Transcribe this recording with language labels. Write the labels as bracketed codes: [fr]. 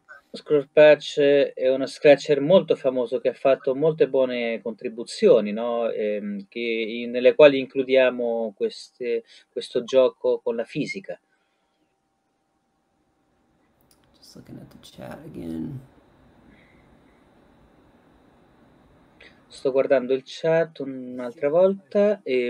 [it] Scratch è uno scratcher molto famoso che ha fatto molte buone contribuzioni, no? Nelle quali includiamo questo gioco con la fisica. [en] Just looking at the chat again. [it] Sto guardando il chat un'altra volta.